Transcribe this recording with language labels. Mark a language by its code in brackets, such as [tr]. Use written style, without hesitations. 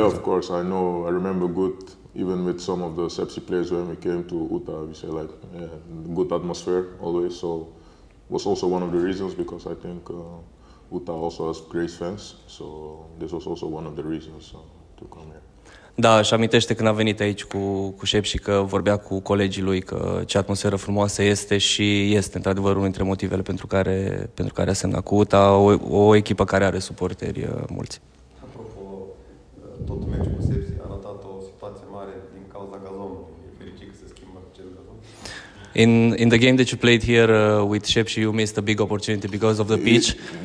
[en] Yeah, of course, I know. I remember good, even with some of the Sepsi players when we came to Utah, we say like, yeah, good atmosphere always. So was also one of the reasons, because I think Utah also has great fans, so this was also one of the reasons to come here. [ro] Da, și amintește când a venit aici cu șef și că vorbea cu colegii lui că ce atmosferă frumoasă este și este într-adevăr unul dintre motivele pentru care a semnat cu UTA, o echipă care are suporteri mulți. Apropo, tot meciul cu Sepsi a arătat o situație mare din cauza gazonului. E fericit că se schimbă acel gazon. [en] In the game that you played here with Sepsi, you missed a big opportunity because of the pitch.